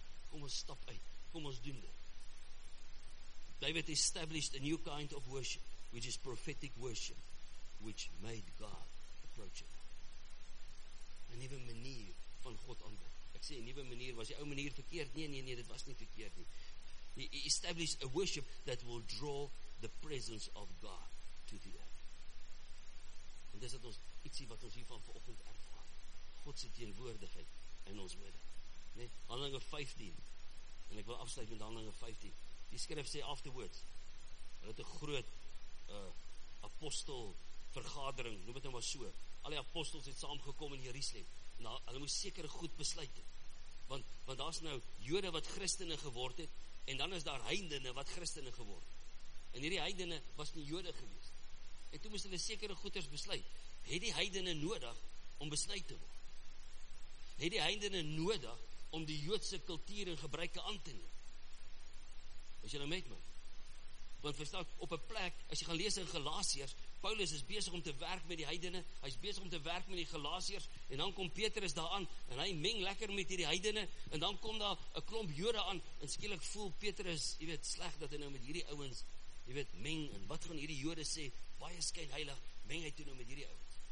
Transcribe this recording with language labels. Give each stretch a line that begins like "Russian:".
Afrikaans: Kom ons stap uit, kom ons doen dit.
English: David established a new kind of worship, which is prophetic worship, which made God approachable.
Dutch: Een nieuwe manier van God aanbid.
Afrikaans: Ek sê, een nieuwe manier, was die ou manier verkeerd? Nee, dit was nie verkeerd nie.
English: He established a worship that will draw the presence of God to the earth.
Afrikaans: En dis het ons ietsie wat ons hiervan vanochtend ervaar. God se teenwoordigheid in ons midde. Nee, Handelinge 15, en ek wil afsluit met Handelinge 15. Die skrif sê afterwards, dat een groot apostel vergadering, noem het hem maar so, alle apostels het saamgekom in Jerusalem, en hulle moes sekere goed besluit het. Want daar is nou jode wat christene geword het, en dan is daar heidene wat christene geword. En hierdie heidene was nie jode gewees. En toe moes hulle sekere goeders besluit. Het die heidene nodig om besluit te word? Het die heidene nodig om die joodse kultuur en gebruike aan te neem? Is jy nou met my? Want verstaan, op 'n plek, as jy gaan lees in Galasiërs, Paulus is besig om te werk met die heidene, hy is besig om te werk met die Galasiërs, en dan kom Petrus daar aan, en hy meng lekker met hierdie heidene, en dan kom daar 'n klomp jode aan, en skielik voel Petrus, jy weet, sleg dat hy nou met hierdie ouwens, jy weet, meng, en wat gaan hierdie jode sê, baie skyn heilig, meng hy toe nou met hierdie ouwens.